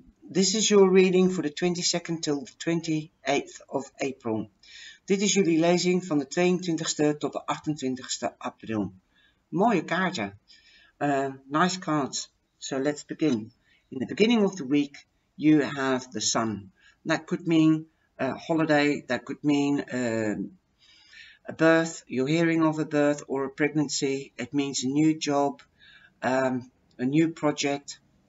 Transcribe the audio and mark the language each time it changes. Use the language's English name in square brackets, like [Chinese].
[English] This is your reading for the 22nd till the 28th of April. [Dutch] Dit is jullie lezing van de 22e tot de 28e april. Mooie kaarten. [English] Nice cards. So let's begin. In the beginning of the week, you have the sun. That could mean a holiday, that could mean a birth, you're hearing of a birth or a pregnancy. It means a new job. A new project.